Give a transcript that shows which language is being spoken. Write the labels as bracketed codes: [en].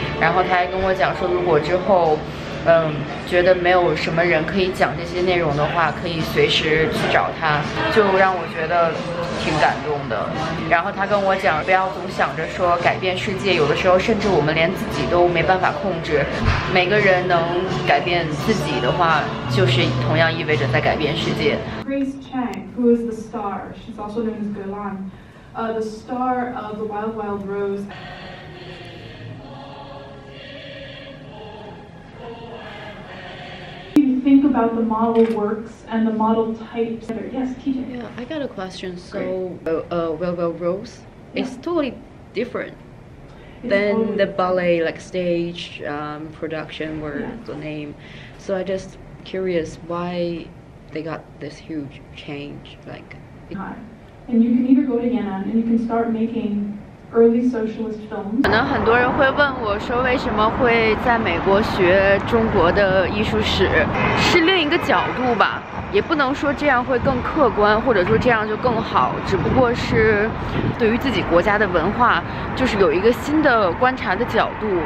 [zh] 然后他还跟我讲说，如果之后觉得没有什么人可以讲这些内容的话，可以随时去找他，就让我觉得挺感动的。然后他跟我讲，不要总想着说改变世界，有的时候甚至我们连自己都没办法控制。每个人能改变自己的话，就是同样意味着在改变世界。 [en] Grace Chang, who is the star, she's also known as Golan, the star of the Wild Wild Rose. Think about the model works and the model types. Yes, TJ. Yeah, I got a question. So, well, Rose, it's totally different than the ballet, like stage production, where the name. So I just curious why they got this huge change. Like, and you can either go to Yan'an and you can start making. Early socialist films. [zh] 可能很多人会问我说，为什么会在美国学中国的艺术史，是另一个角度吧，也不能说这样会更客观，或者说这样就更好，只不过是对于自己国家的文化就是有一个新的观察的角度。